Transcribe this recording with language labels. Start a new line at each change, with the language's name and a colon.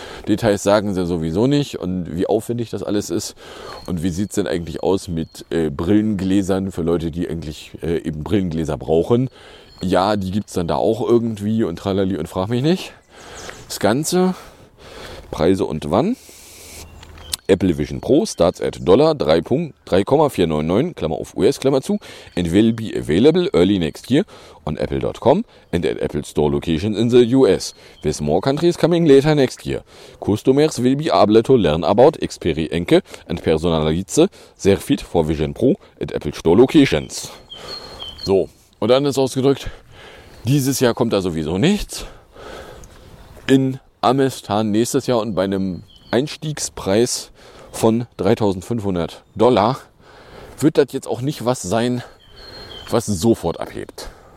German: Details sagen sie sowieso nicht und wie aufwendig das alles ist und wie sieht's denn eigentlich aus mit Brillengläsern für Leute, die eigentlich eben Brillengläser brauchen. Ja, die gibt's dann da auch irgendwie und tralali und frag mich nicht. Das Ganze, Preise und wann?
English: Apple Vision Pro starts at $3.499,
German: Klammer auf US, Klammer zu,
English: and will be available early next year on Apple.com and at Apple Store locations in the US, with more countries coming later next year. Customers will be able to learn about Experience and personalize their fit for Vision Pro at Apple Store locations.
German: So, und dann ist ausgedrückt, dieses Jahr kommt da sowieso nichts. In Amistan nächstes Jahr und bei einem Einstiegspreis von $3.500 wird das jetzt auch nicht was sein, was sofort abhebt.